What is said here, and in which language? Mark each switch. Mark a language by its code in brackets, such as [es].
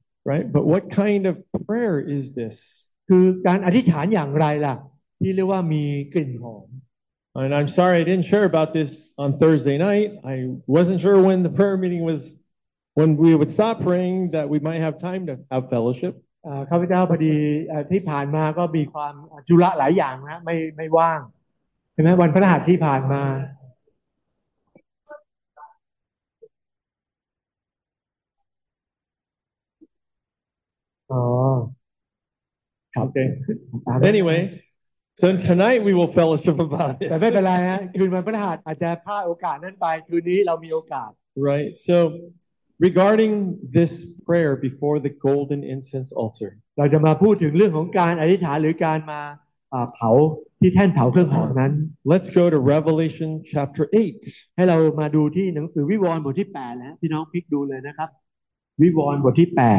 [en] Right, but what kind of prayer is this? [th] คือการอธิษฐานอย่างไรล่ะที่เรียกว่ามีกลิ่นหอม [en] And I'm sorry I didn't share about this on Thursday night. I wasn't sure when the prayer meeting was when we would stop praying that we might have time to have fellowship. [th] ข้าพเจ้าพอดีที่ผ่านมาก็มีความจุระหลายอย่างนะไม่ว่างใช่ไหมวันพฤหัสที่ผ่านมาอ๋อ [en] โอเค AnywaySo tonight we will fellowship about it. [th] แต่ไม่เป็นไรฮะคืนวันพฤหัสอาจจะพลาดโอกาสนั้นไปคืนนี้เรามีโอกาส [en] Right. So regarding this prayer before the golden incense altar. [th] เราจะมาพูดถึงเรื่องของการอธิษฐานหรือการมาเผาที่แท่นเผาเครื่องหอมนั้น [en] Let's go to Revelation chapter 8. [th] ให้เรามาดูที่หนังสือวิวรณ์บทที่8แล้วพี่น้องพลิกดูเลยนะครับวิวรณ์บทที่8